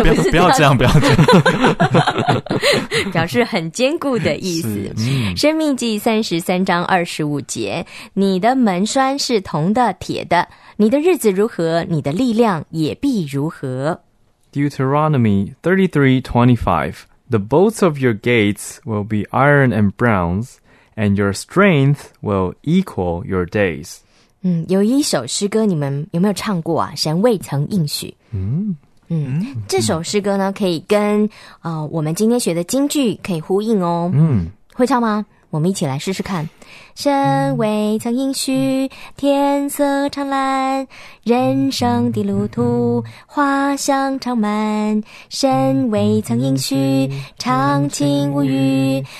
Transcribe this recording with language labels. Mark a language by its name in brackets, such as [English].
[Chinese] 不要这样，不要这样，表示很坚固的意思。嗯、生命记33:25，你的门栓是铜的、铁的。你的日子如何，你的力量也必如何。 [English] Deuteronomy 33:25, the bolts of your gates will be iron and bronze, and your strength will equal your days. [Chinese] 嗯，有一首诗歌，你们有没有唱过啊？神未曾应许。嗯嗯，这首诗歌呢，可以跟我们今天学的金句可以呼应哦。嗯，会唱吗？我们一起来试试看。神未曾应许天色常蓝人生的路途花香常满神未曾应许长青无雨